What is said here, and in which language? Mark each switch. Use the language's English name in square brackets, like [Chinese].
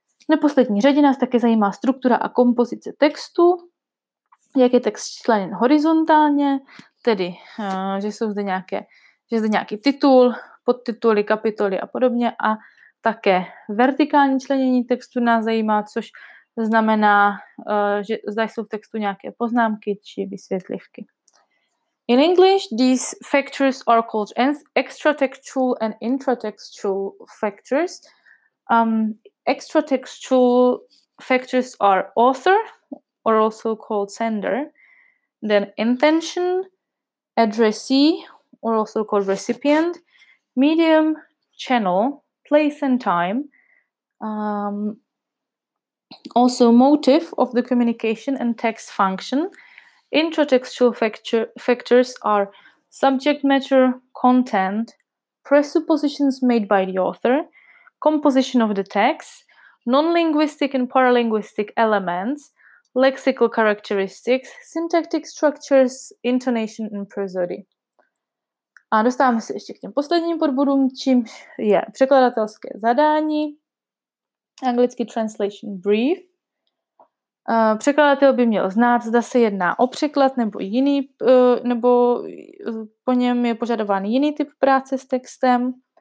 [Czech] Na poslední řadě nás také zajímá struktura a kompozice textu, jak je text členěn horizontálně, tedy, že jsou zde nějaké, že zde nějaký titul, podtituly, kapitoly a podobně, a také vertikální členění textu nás zajímá, což znamená, že zda jsou v textu nějaké poznámky či vysvětlivky. [English] In English, these factors are called extratextual and intratextual factors. Extratextual factors are author, or also called sender, then intention, addressee, or also called recipient, medium, channel, place and time, also motive of the communication and text function. Intratextual factors are subject matter, content, presuppositions made by the author, composition of the text, non-linguistic and paralinguistic elements, lexical characteristics, syntactic structures, intonation and prosody. [Czech] A dostáváme se ještě k těm posledním podbodům, čím je překladatelské zadání, anglicky translation brief. Překladatel by měl znát, zda se jedná o překlad nebo jiný, nebo po něm je požadován jiný typ práce s textem.